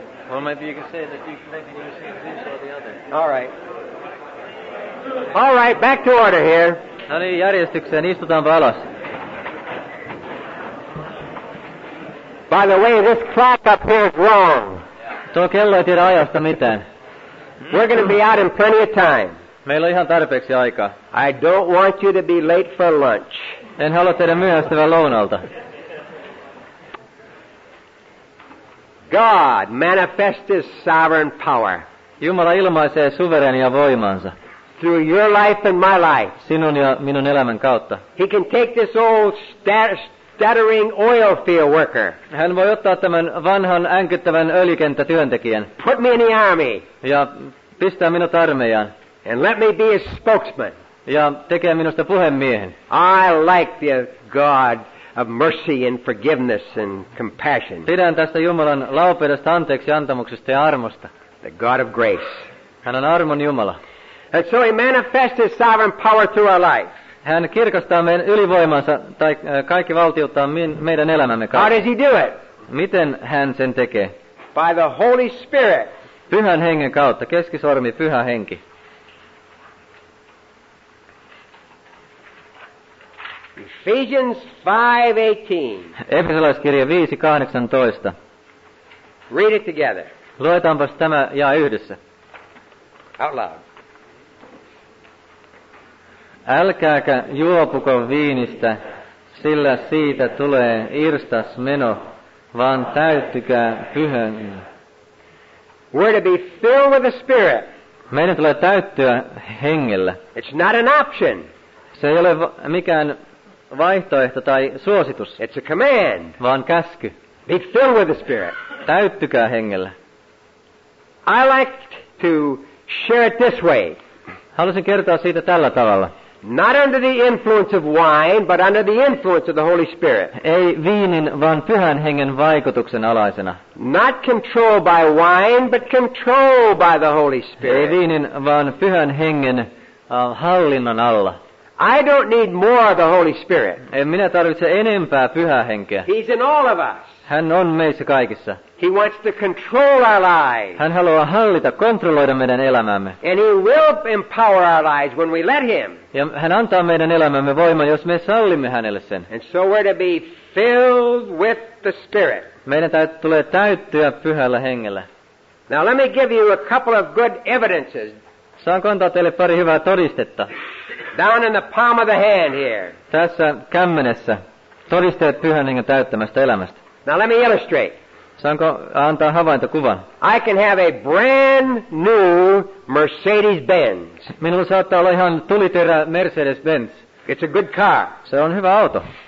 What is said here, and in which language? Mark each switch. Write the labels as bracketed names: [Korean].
[English] Well, maybe you can say that you can see this or the other. All right. All right, back to order here. [Finnish] No niin, järjestykseen, istutaanpa alas. [English] By the way, this clock up here is wrong. [Finnish] Tuo kello ei tiedä ajasta mitään. [English] We're going to be out in plenty of time. [Finnish] Meillä on ihan tarpeeksi aikaa. [English] I don't want you to be late for lunch. [Finnish] En halua teidän myöhästyvän lounalta. [English] God manifests His sovereign power. [Finnish] Jumala ilmaisee suvereenia voimansa. [English] Through your life and my life. [Finnish] Sinun ja minun elämän kautta. [English] He can take this old stuttering oil field worker. [Finnish] Hän voi ottaa tämän vanhan änkyttävän öljykenttätyöntekijän. [English] Put me in the army. [Finnish] Ja pistää minut armeijaan. [English] And let me be a spokesman. [Finnish] Ja tekee minusta puhemiehen. [English] I like the God of mercy and forgiveness and compassion. [Finnish] Pidän tästä Jumalan laupeudesta, anteeksi antamuksesta ja armosta. [English] The God of grace. [Finnish] Hän on armon Jumala. [English] And so He manifests His sovereign power through our life. [Finnish] Hän kirkastaa meidän ylivoimansa tai kaikki valtiuttaa meidän elämämme kautta. [English] How does He do it? [Finnish] Miten Hän sen tekee? [English] By the Holy Spirit. [Finnish] Pyhän Hengen kautta, keskisormi Pyhä Henki. [English] Ephesians 5:18. [Finnish] Efesolaiskirja 5:18. [English] Read it together. [Finnish] Luetaanpas tämä jae yhdessä. [English] Out loud. [Finnish] Älkääkä juopuko viinistä, sillä siitä tulee irstas meno, vaan täyttykää Pyhän. [English] We're to be filled with the Spirit. [Finnish] Meidän tulee täyttyä Hengellä. [English] It's not an option. [Finnish] Se ei ole mikään vaihtoehto tai suositus. [English] It's a command. [Finnish] Vaan käsky. [English] Be filled with the Spirit. [Finnish] Täyttykää Hengellä. [English] I like to share it this way. [Finnish] Haluaisin kertoa siitä tällä tavalla. [English] Not under the influence of wine, but under the influence of the Holy Spirit. [Finnish] Ei viinin, vaan Pyhän Hengen vaikutuksen alaisena. [English] Not controlled by wine, but controlled by the Holy Spirit. [Finnish] Ei viinin, vaan Pyhän Hengen hallinnan alla. [English] I don't need more of the Holy Spirit. [Finnish] En minä tarvitse enempää Pyhää Henkeä. [English] He's in all of us. [Finnish] Hän on meissä kaikissa. [English] He wants to control our lives. [Finnish] Hän haluaa hallita, kontrolloida meidän elämäämme. [English] And he will empower our lives when we let him. [Finnish] Ja hän antaa meidän elämämme voiman, jos me sallimme hänelle sen. [English] And so we're to be filled with the Spirit. [Finnish] Meidän tulee täyttyä pyhällä hengellä. [English] Now let me give you a couple of good evidences. [Finnish] Saanko antaa teille pari hyvää todistetta? [English] Down in the palm of the hand here. [Finnish] Tässä kämmenessä. Todisteet pyhän hengen täyttämästä elämästä. [English] Now let me illustrate. [Finnish] Saanko antaa havaintokuvan? [English] I can have a brand new Mercedes-Benz. [Finnish] Minulla saattaa olla ihan tuliterä Mercedes-Benz. [English] It's a good car. [Finnish] Se on hyvä auto.